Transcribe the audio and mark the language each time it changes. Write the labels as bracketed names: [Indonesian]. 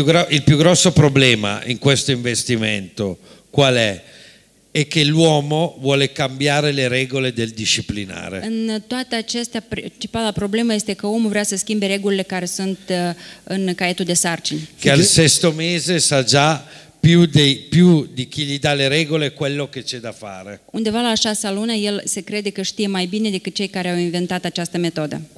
[Italian] Il più grosso problema in questo investimento qual è? È che l'uomo vuole cambiare le regole del disciplinare. [Romanian] În toate acestea, principala problemă este că omul vrea să schimbe regulile care sunt în caietul de sarcini. [Italian] Che al sesto mese sa già più di chi gli dà le regole quello che c'è da fare. [Romanian] Undeva la 6-a lună el se crede că știe mai bine decât cei care au inventat această metodă.